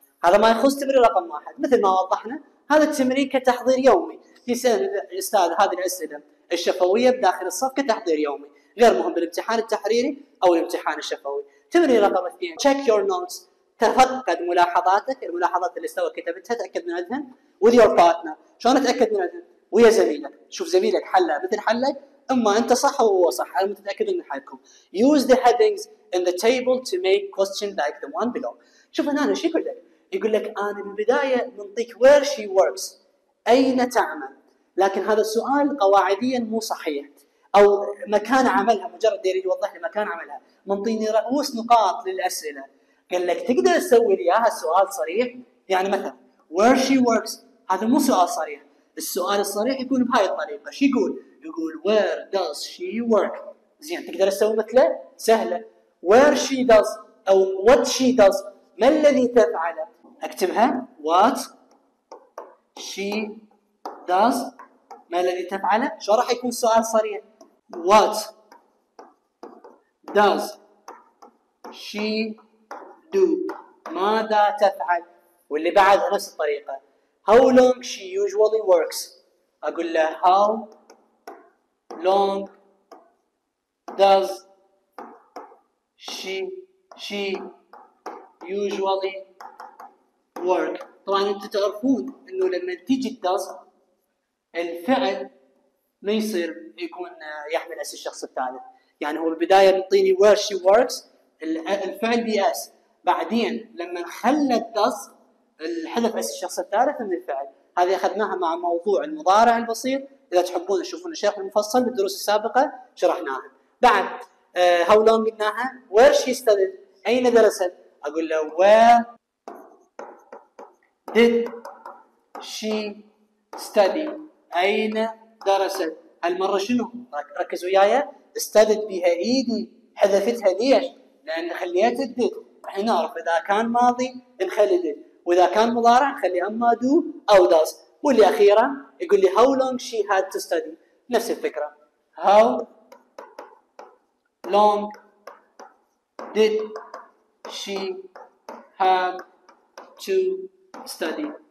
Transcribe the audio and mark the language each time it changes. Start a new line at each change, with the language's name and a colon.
Arabic: هذا ما يخص تمرين رقم 1. مثل ما وضحنا هذا التمرين كتحضير يومي، يسأل الأستاذ هذه الأسئلة الشفوية بداخل الصف كتحضير يومي، غير مهم بالامتحان التحريري أو الامتحان الشفوي. تمرين رقم 2
English: check your notes،
Arabic: تفقد ملاحظاتك، الملاحظات اللي استوى كتبتها تأكد من أذهن
English: with your partner.
Arabic: شلون أتأكد من أذهن؟ ويا زميلك، شوف زميلك حلها مثل حلك، أما أنت صح وهو صح، أنا متأكد من حالكم.
English: use the headings in the table to make questions like the one below.
Arabic: شوف هنا شو يقول لك، يقول لك أنا بالبداية منطيك
English: where she works،
Arabic: أين تعمل، لكن هذا السؤال قواعديا مو صحيح، أو مكان عملها، مجرد يريد يوضح لي مكان عملها، منطيني رؤوس نقاط للأسئلة. قال لك تقدر تسوي لي اياها سؤال صريح، يعني مثلا
English: where she works،
Arabic: هذا مو سؤال صريح. السؤال الصريح يكون بهاي الطريقه، شو يقول؟ يقول
English: where does she work.
Arabic: زين تقدر تسوي مثله، سهله.
English: where she does او what she does،
Arabic: ما الذي تفعله، اكتبها
English: what she
Arabic: does ما الذي تفعله؟ شو راح يكون سؤال صريح؟
English: What does she do؟
Arabic: ماذا تفعل؟ واللي بعد نفس الطريقة.
English: How long she usually works؟
Arabic: أقول له
English: How long does she usually work؟
Arabic: طبعاً أنت تعرفون إنه لما تيجي does الفعل ما يصير يكون يحمل اس الشخص الثالث. يعني هو بالبدايه بيعطيني
English: where she works
Arabic: الفعل بياس، بعدين لما نخلى الدس الحذف اس الشخص الثالث من الفعل. هذه اخذناها مع موضوع المضارع البسيط، اذا تحبون تشوفون الشرح المفصل بالدروس السابقه شرحناها. بعد
English: how long
Arabic: قلناها،
English: where she studied
Arabic: اين درست، اقول له where
English: did she study
Arabic: اين درست. هالمره شنو؟ ركز وياي. استدت بها ايدي، حذفتها ليش؟ لان خليت الدد. الحين نعرف اذا كان ماضي نخلي دد، واذا كان مضارع نخلي اما دو او داز. واللي اخيرا يقول لي
English: how long she had to study,
Arabic: نفس الفكره.
English: how long did she had to study,